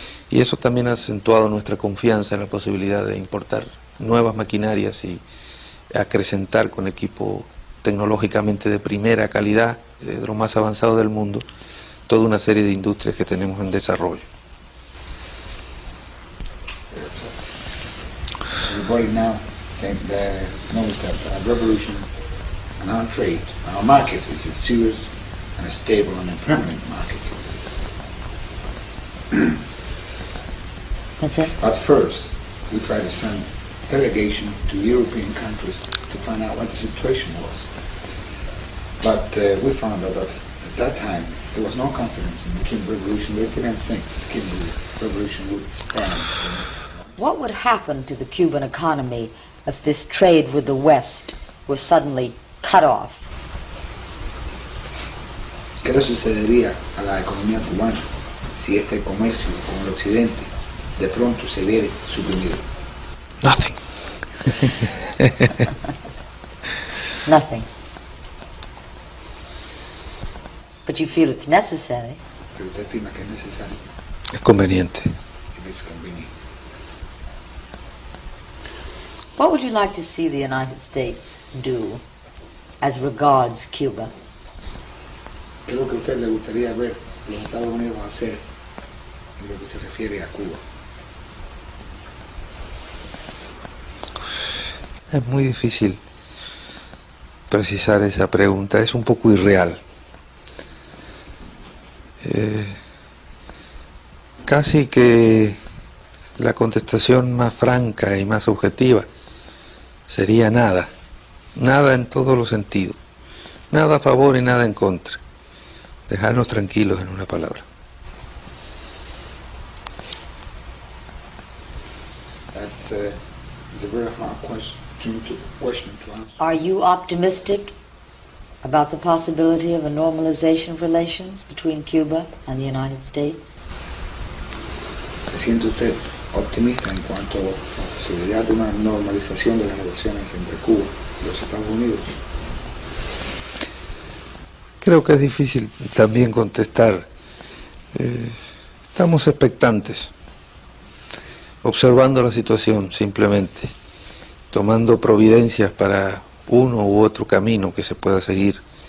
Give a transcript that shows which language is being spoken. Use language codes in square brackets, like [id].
[es] Y eso también ha acentuado nuestra confianza en la posibilidad de importar nuevas maquinarias y acrecentar con equipo tecnológicamente de primera calidad, de lo más avanzado del mundo, toda una serie de industrias que tenemos en desarrollo. [en] Everybody now think that knows that our revolution and our trade and our market is a serious and a stable and a permanent market. That's it. But first, we try to send delegation to European countries to find out what the situation was. But we found out that at that time there was no confidence in the Cuban revolution. They didn't think the Cuban revolution would stand. What would happen to the Cuban economy if this trade with the West were suddenly cut off? [es] ¿Qué le sucedería a la economía cubana si este comercio con el Occidente de pronto se viera suprimido? [en] Nothing. Nothing. But you feel it's necessary. [es] ¿Pero usted estima que es necesario? Es conveniente. [en] It's convenient. What would you like to see the United States do as regards Cuba? [es] Creo que a usted le gustaría ver los Estados Unidos hacer en lo que se refiere a Cuba. Es muy difícil precisar esa pregunta, es un poco irreal. Casi que la contestación más franca y más objetiva sería nada, nada en todos los sentidos, nada a favor y nada en contra. Dejarnos tranquilos en una palabra. [en] That's a very hard question to answer. Are you optimistic about the possibility of a normalization of relations between Cuba and the United States? [es] ¿Se siente usted optimista en cuanto a la posibilidad de una normalización de las relaciones entre Cuba y los Estados Unidos? Creo que es difícil también contestar. Estamos expectantes, observando la situación simplemente, tomando providencias para uno u otro camino que se pueda seguir.